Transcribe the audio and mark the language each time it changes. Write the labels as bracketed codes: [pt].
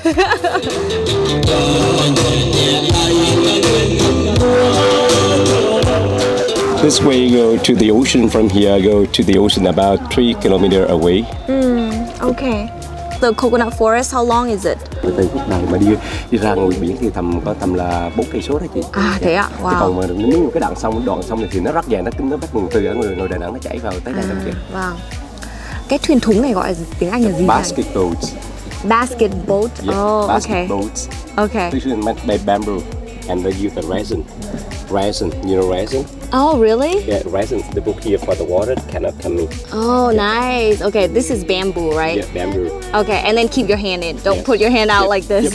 [en] This way you go to the ocean from here, go to the ocean about 3 kilometers away. Okay. The coconut forest, how long is it? [vi] Từ đây phút này mà đi ra ngoài biển thì tầm có tầm là 4 cây số đó chị. À thế ạ, à? Wow. Còn mà nếu cái đoạn sông này thì nó rất dài, nó bắt nguồn từ ở ngoài Đà Nẵng nó chảy vào tới đây làm việc. Wow. Cái thuyền thúng này gọi là tiếng Anh là gì vậy? [en] Basket boat. Basket boat. Yeah, oh, basket okay. Boat. Okay. This is made by bamboo, and they use the resin. Resin, you know resin? Oh, really? Yeah, resin. The book here for the water cannot come in. Oh, nice. Okay, this is bamboo, right? Yeah, bamboo. Okay, and then keep your hand in. Don't put your hand out like this.